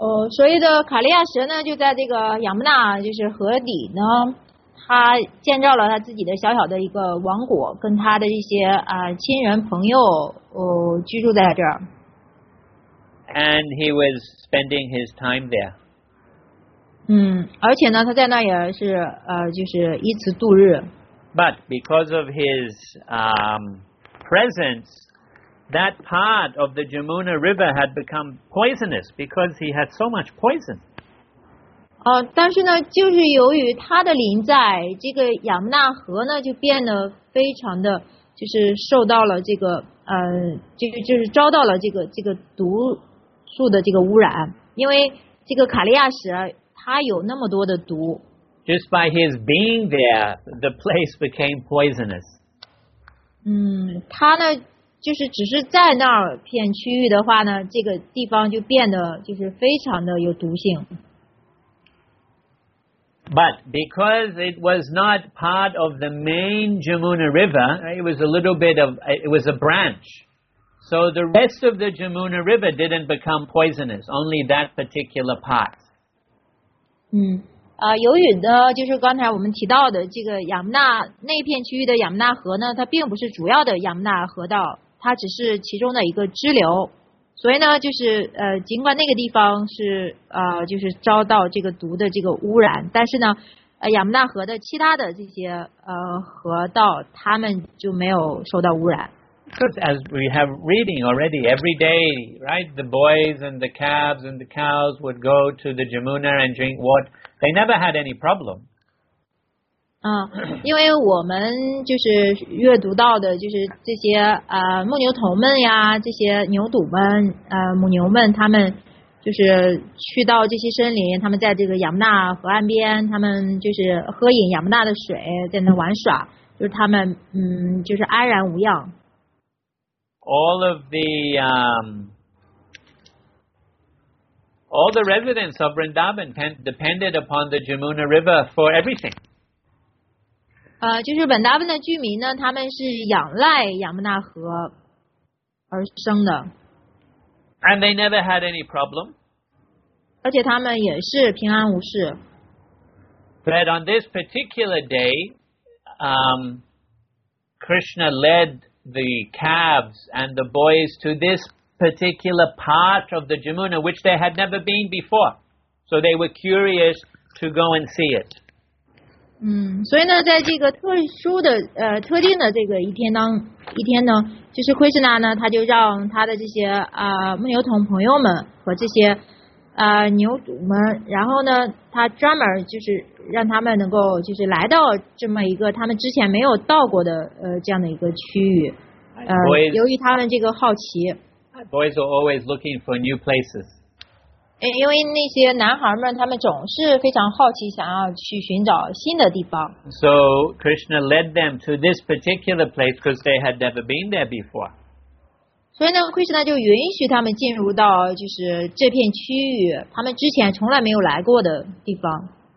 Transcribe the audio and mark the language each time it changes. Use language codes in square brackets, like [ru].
[zh] 所以的卡利亚蛇呢，就在这个亚姆纳，就是河底呢，他建造了他自己的小小的一个王国，跟他的一些亲人朋友居住在这儿。 [en] And he was spending his time there. [zh] 而且呢，他在那也是就是一直度日。 [en] But because of his presence, that part of the Jamuna River had become poisonous because he had so much poison. [zh] 但是呢，就是由于他的临在，这个亚木纳河呢就变得非常的，就是受到了这个就是遭到了这个毒素的这个污染，因为这个卡利亚石它有那么多的毒。 [en] Just by his being there, the place became poisonous. [zh] 他呢，就是只是在那片区域的话呢，这个地方就变得就是非常的有毒性。 [en] But because it was not part of the main Jamuna River, it was a little bit of, it was a branch. So the rest of the Jamuna River didn't become poisonous, only that particular part. [zh] 由于呢，就是刚才我们提到的这个亚木纳那片区域的亚木纳河呢，它并不是主要的亚木纳河道，它只是其中的一个支流。所以呢，就是尽管那个地方是就是遭到这个毒的这个污染，但是呢，亚木纳河的其他的这些河道，他们就没有受到污染。 [en] Because as we have reading already, every day, right, the boys and the calves and the cows would go to the Jamuna and drink water. They never had any problem. [zh] 因为我们就是阅读到的，就是这些牧牛童们呀，这些牛犊们，母牛们，他们就是去到这些森林，他们在这个亚木纳河岸边，他们就是喝饮亚木纳的水，在那玩耍，就是他们就是安然无恙。 [en] All of the all the residents of Vrindavan depended upon the Jamuna River for everything. [zh] 就是本达文的居民呢，他们是仰赖亚木纳河而生的。 [en] And they never had any problem. [zh] 而且他们也是平安无事。 [en] But on this particular day, Krishna led. The calves and the boys to this particular part of the Jamuna, which they had never been before, so they were curious to go and see it. [zh] 所以呢，在这个特殊的特定的这个一天呢，就是 Krishna 呢，他就让他的这些牧牛童朋友们和这些牛犊们，然后呢，他专门就是让他们能够就是来到这么一个他们之前没有到过的这样的一个区域。 [en] Boys, [zh] 由于他们这个好奇。 [en] Boys are always looking for new places. [zh] 因为那些男孩们他们总是非常好奇，想要去寻找新的地方。 [en] So Krishna led them to this particular place because they had never been there before. [zh] 所以呢，奎师呢就允许他们进入到就是这片区域，他们之前从来没有来过的地方。